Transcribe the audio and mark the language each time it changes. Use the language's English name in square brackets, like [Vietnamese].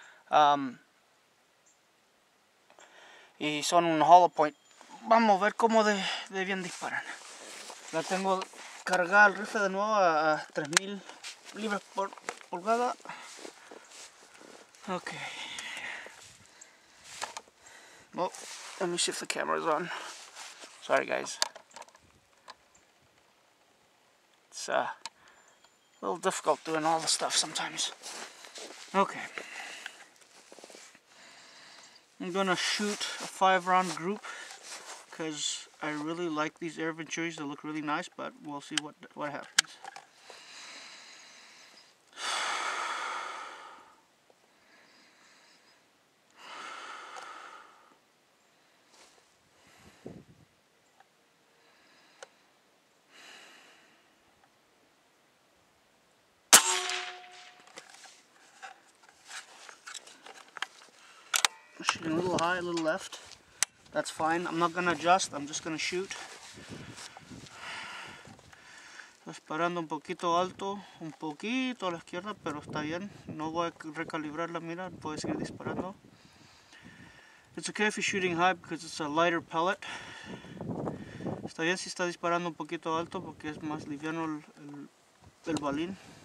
[Spanish] Y son un hollow point. Vamos a ver cómo de bien disparan. La tengo cargar el rifle de nuevo a 3000 libras por pulgada. [English] Okay. Well, let me see if the camera's on. Sorry, guys. It's a little difficult doing all the stuff sometimes. Okay. I'm gonna shoot a 5-round group because I really like these air venturis. They look really nice, but we'll see what happens. Shooting a little high, a little left. That's fine. I'm not gonna adjust. I'm just gonna shoot. [Spanish] Disparando un poquito alto, un poquito a la izquierda, pero está bien. No voy a recalibrar la mira. Voy a seguir disparando. [English] It's okay if you're shooting high because it's a lighter pellet. [Spanish] Está bien si está disparando un poquito alto porque es más liviano el balín.